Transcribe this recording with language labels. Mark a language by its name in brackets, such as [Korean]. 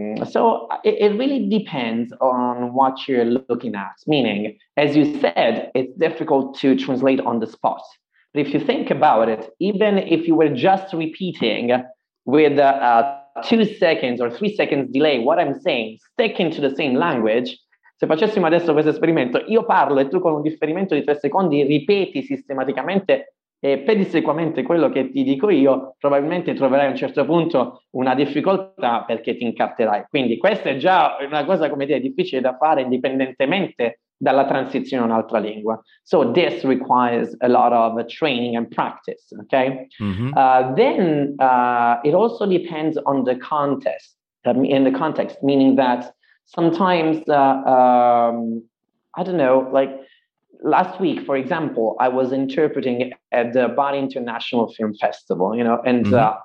[English] So it really depends on what you're looking at. Meaning, as you said, it's difficult to translate on the spot. But if you think about it, even if you were just repeating with a 2 seconds or 3 seconds delay what I'm saying, sticking to the same language, [Italian] se facessimo adesso questo esperimento, io parlo e tu con un differimento di 3 secondi ripeti sistematicamente e pedissequamente quello che ti dico io, probabilmente troverai a un certo punto una difficoltà perché ti incarterai. Quindi questa è già una cosa, come dire, difficile da fare indipendentemente dalla transizione a un'altra lingua. [English] So this requires a lot of training and practice, okay? Mm-hmm. Then it also depends on the context, in the context, meaning that sometimes, I don't know, like last week, for example, I was interpreting at the Bari International Film Festival, you know, and mm-hmm.